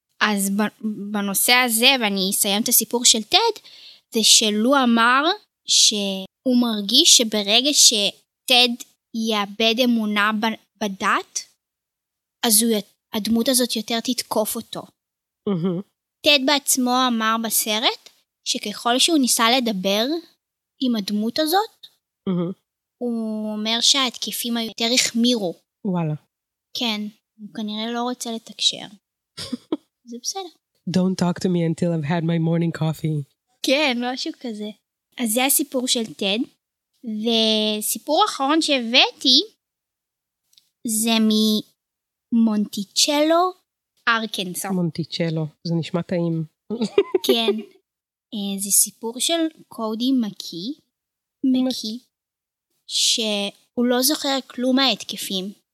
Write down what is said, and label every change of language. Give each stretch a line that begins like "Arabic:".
Hebrew: אז בנושא הזה, ואני אסיים את הסיפור של טד, זה שלו אמר שהוא מרגיש שברגע שטד יאבד אמונה בדת, אז הדמות הזאת יותר תתקוף אותו. טד בעצמו אמר בסרט, שככל שהוא ניסה לדבר עם הדמות הזאת, הוא אומר שההתקפים היותר החמירו. וואלה. כן, הוא כנראה לא רוצה לתקשר. זה בסדר.
English: Don't talk to me until I've had my morning coffee.
Hebrew: כן, משהו כזה. אז זה הסיפור של טד. וסיפור אחרון שהבאתי, זה מ... מונטיצ'לו, ארקנסו. מונטיצ'לו, זה נשמע טעים. כן. זה סיפור של קודי מקי, מקי, שהוא לא זוכר כלום ההתקפים.